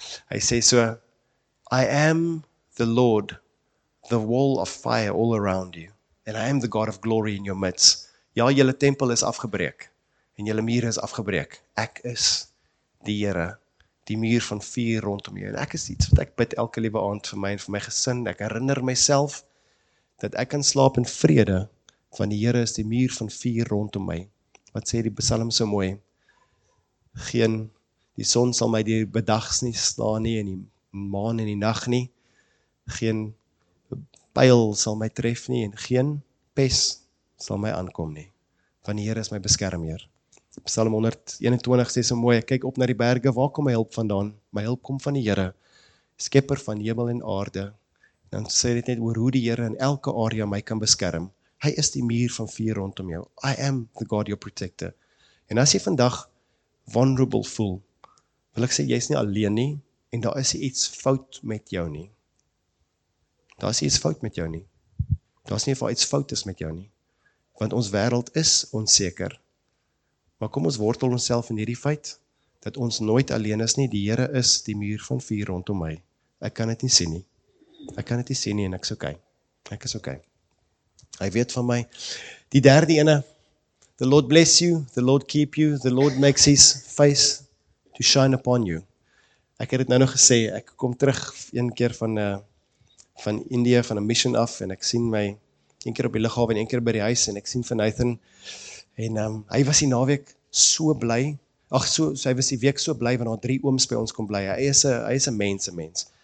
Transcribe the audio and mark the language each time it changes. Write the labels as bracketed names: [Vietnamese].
[Afrikaans] Hy sê so: [English] I am the Lord, the wall of fire all around you, and I am the God of glory in your midst. [Afrikaans] Ja, julle tempel is afgebreek en julle mure is afgebreek. Ek is die Here, die muur van vuur rondom jou. En ek is iets wat ek bid elke liewe aand vir my en vir my gesin. Ek herinner myself dat ek kan slaap in vrede, want die Here is die muur van vuur rondom my. Wat sê die Psalm so mooi? Geen, die son sal my die bedags nie slaan nie en die maan in die nag nie. Geen pyl sal my tref nie en geen pes sal my aankom nie. Want die Here is my beskermheer. Psalm 121 sê so mooi, ek kyk op na die berge, waar kom my hulp vandaan? My hulp kom van die Here, skepper van hemel en aarde. Dan sê dit net oor hoe die Here in elke area my kan beskerm. Hy is die muur van vuur rondom jou. [English] I am the God your protector. [Afrikaans] En as jy vandag vulnerable voel, wil ek sê, jy is nie alleen nie, en daar is iets fout met jou nie. Daar is iets fout met jou nie. Daar is nie waar iets fout is met jou nie. Want ons wêreld is onseker. Maar kom ons wortel onsself in hierdie feit, dat ons nooit alleen is nie. Die Here is die muur van vuur rondom my. Ek kan dit nie sien nie. Ek kan dit nie sien nie en ek is okay. Ek is okay. Hy weet van my. Die derde ene, [English] the Lord bless you, the Lord keep you, the Lord makes his face to shine upon you. [Afrikaans] Ek het dit nou gesê, ek kom terug een keer van India, van 'n mission af, en ek sien my een keer op die lughawe en een keer by die huis, en ek sien van Nathan, en hy was die naweek so bly, hy was die week so bly, want daar drie ooms by ons kom bly, hy is 'n mens.